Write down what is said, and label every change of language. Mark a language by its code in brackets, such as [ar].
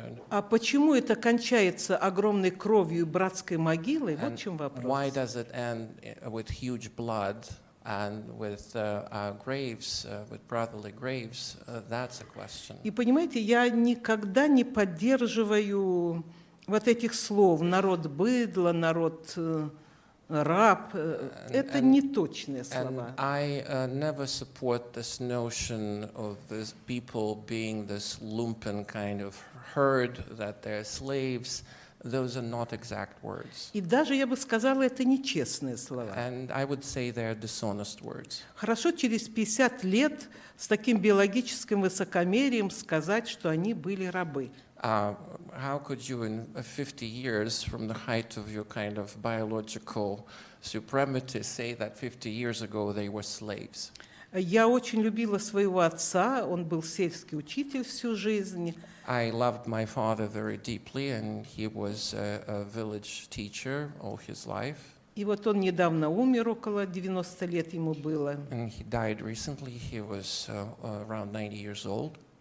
[ru] А почему это кончается огромной кровью и братской могилой? Вот в чем вопрос. [en] Why does it end with huge blood and with graves, with brotherly graves? That's a question. [ru] И понимаете, я никогда не поддерживаю вот этих слов «народ быдло», «народ раб» – это не точные слова. [en] And I never support this notion of this people being this lumpen kind of herd, that they're slaves. Those are not exact words. [ru] И даже я бы сказала, это нечестные слова. [en] And I would say they're dishonest words. [ru] Хорошо через 50 лет с таким биологическим высокомерием сказать, что они были рабы. [en] How could you in 50 years from the height of your kind of biological supremacy say that 50 years ago they were slaves? [ru] Я очень любила своего отца, он был сельский учитель всю жизнь. [en] I loved my father very deeply and he was a village teacher all his life. [ru] И вот он недавно умер, около 90 лет ему было. [en] And he died recently, he was around 90 years old.